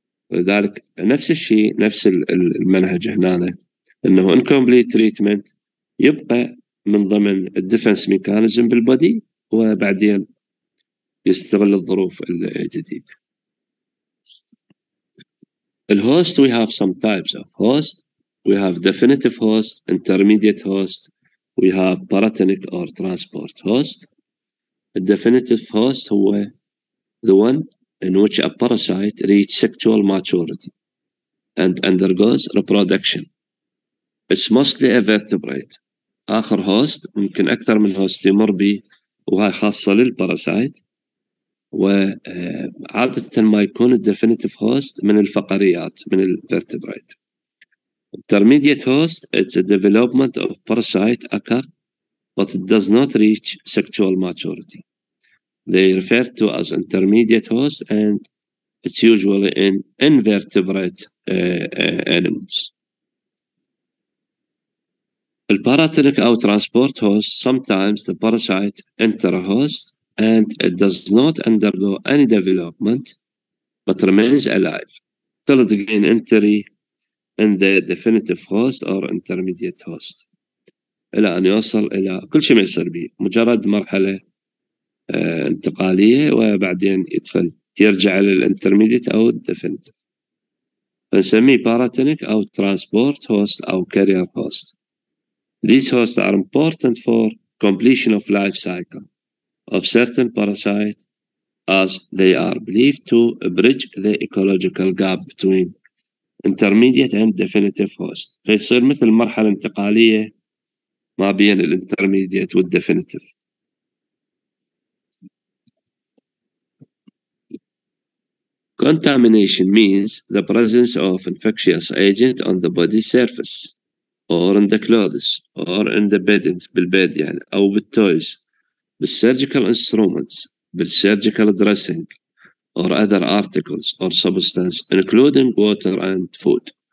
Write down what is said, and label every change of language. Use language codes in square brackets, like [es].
[ar] لذلك نفس الشيء نفس المنهج هنا انه [en] incomplete treatment [ar] يبقى من ضمن الديفنس ميكانيزم بالبودي وبعدين يستغل الظروف الجديده [en] الهوست we have some types of host we have definitive host intermediate host We have paratonic or transport host. A definitive host هو the one in which a parasite reach sexual maturity and undergoes reproduction. It's mostly a vertebrate. [ar] آخر هوست ممكن أكثر من هوست يمر بي، وهاي خاصة للباراسايت. وعادة ما يكون الديفينيتيف هوست من الفقريات من الفيرتبريت. [en] Intermediate host, it's a development of parasite occur, but it does not reach sexual maturity. They refer to as intermediate host, and it's usually in invertebrate animals. Paratonic or transport host, sometimes the parasite enter a host, and it does not undergo any development, but remains alive till it gain entry in the definitive host or intermediate host. [ar] إلى أن يوصل إلى كل شيء ما يصير به، مجرد مرحلة انتقالية، وبعدين يدخل يرجع إلى الانترميديت أو الديفينيتيف. فنسميه باراتينيك أو ترانسبورت هوست أو كارير هوست. [en] These hosts are important for completion of life cycle of certain parasites, as they are believed to bridge the ecological gap between intermediate and definitive host. [ar] فيصير مثل مرحلة انتقالية ما بين الانترميديت والديفينيتيف. [en] Contamination means the presence of infectious agent on the body surface or in the clothes or in the bedding [ar] بالبيد يعني أو بالتويز [en] بالsurgical instruments بالsurgical dressing or other articles or substance including water and food.